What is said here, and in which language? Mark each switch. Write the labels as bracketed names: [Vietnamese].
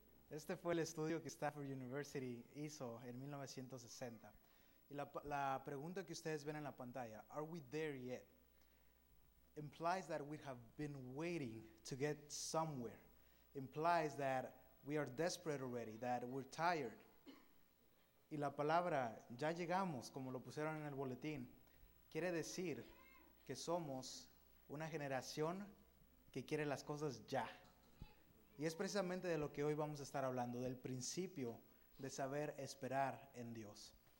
[Spanish] Este fue el estudio que Stanford University hizo en 1960. Y la pregunta que ustedes ven en la pantalla, [English] are we there yet, implies that we have been waiting to get somewhere, implies that we are desperate already, that we're tired. [Spanish] Y la palabra, ya llegamos, como lo pusieron en el boletín, quiere decir que somos una generación que quiere las cosas ya. Y es precisamente de lo que hoy vamos a estar hablando, del principio de saber esperar en Dios.